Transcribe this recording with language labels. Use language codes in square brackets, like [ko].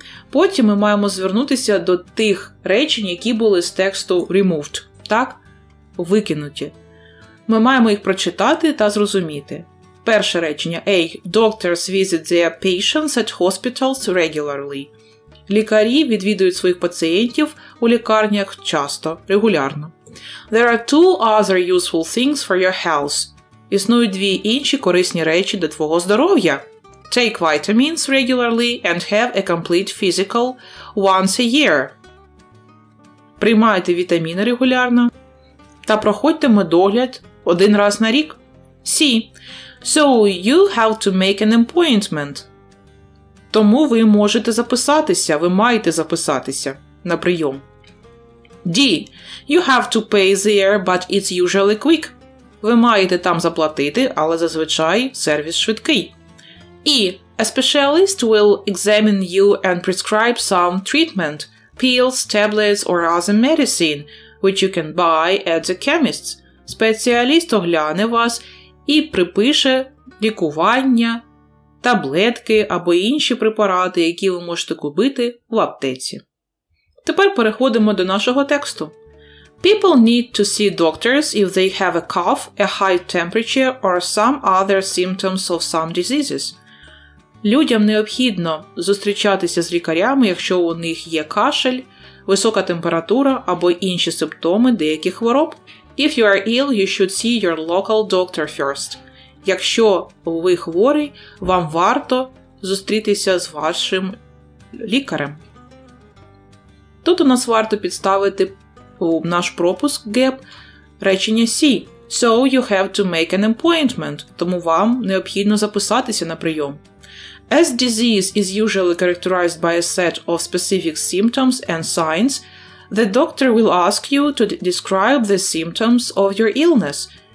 [uk] Потім ми маємо звернутися до тих речень, які були з тексту removed, так? Викинуті. Ми маємо їх прочитати та зрозуміти. Перше речення. [en] A. Doctors visit their patients at hospitals regularly. [uk] Лікарі відвідують своїх пацієнтів у лікарнях часто, регулярно. [en] There are two other useful things for your health. [uk] Існують дві інші корисні речі для твого здоров'я. [en] Take vitamins regularly and have a complete physical once a year. [uk] Приймайте вітаміни регулярно та проходьте медогляд один раз на рік. [en] C. So you have to make an appointment. [uk] Тому ви можете записатися, ви маєте записатися на прийом. D. [en] You have to pay there, but it's usually quick. [uk] Ви маєте там заплатити, але зазвичай сервіс швидкий. E. [en] A specialist will examine you and prescribe some treatment, pills, tablets or other medicine, which you can buy at the chemist's. [uk] Спеціаліст огляне вас і припише лікування, таблетки або інші препарати, які ви можете купити в аптеці. Тепер переходимо до нашого тексту. [en] People need to see doctors if they have a cough, a high temperature or some other symptoms of some diseases. [uk] Людям необхідно зустрічатися з лікарями, якщо у них є кашель, висока температура або інші симптоми деяких хвороб. [en] If you are ill, you should see your local doctor first. [uk] Якщо ви хворий, вам варто зустрітися з вашим лікарем. Тут у нас варто підставити наш пропуск gap речення C. [en] So you have to make an appointment. [uk] Тому вам необхідно записатися на прийом. [en] As disease is usually characterized by a set of specific symptoms and signs, the doctor will ask you to describe the symptoms of your illness.